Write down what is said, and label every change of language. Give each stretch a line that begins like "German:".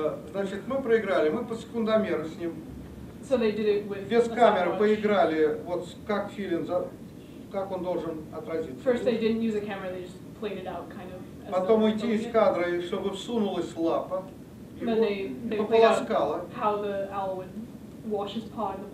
Russian: Значит, мы проиграли, мы по секундомеру с ним.
English: So they did it with
Russian: без камеры поиграли, вот как филин, как он должен отразиться.
English: First they didn't use a camera, they just played it out kind of.
Russian: Потом уйти из кадра, и чтобы всунулась лапа.
English: Then they played out how the owl would wash his paw in the pond.